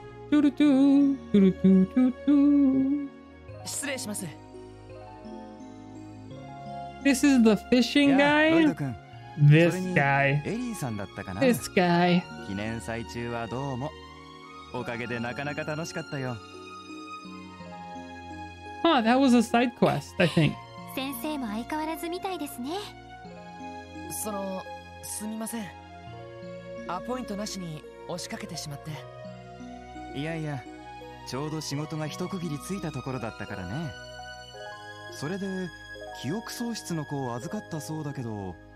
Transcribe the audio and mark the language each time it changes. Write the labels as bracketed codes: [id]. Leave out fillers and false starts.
[ja] トゥルトゥー、トゥルトゥトゥトゥー。失礼します。 [en] This is the fishing guy? This guy. [ja] エリーさんだったかな? [en] This guy. [ja] 記念祭中はどうも。おかげでなかなか楽しかったよ。 [en] Huh, that was a side quest, I think. [ja] 先生も相変わらずみたいですね。その、すみません。アポイントなしに押しかけてしまって。いやいや、ちょうど仕事が一区切りついたところだったからね。それで、記憶喪失の子を預かったそうだけど。